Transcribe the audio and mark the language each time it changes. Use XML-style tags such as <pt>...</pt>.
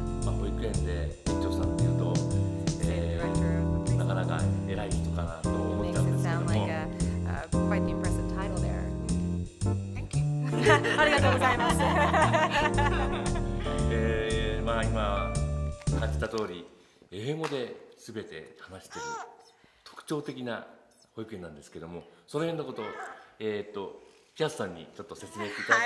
<ja>まあ、保育園で園長さんというと、なかなか偉い人かなと思ったんですけども。</ja> <en>It makes it sound like a quite the impressive title there. Thank you.</en> <ja>ありがとうございます。まあ、今感じた通り英語で全て話している特徴的な保育園なんですけども、その辺のことをピアスさんにちょっと説明していただけますか。</ja>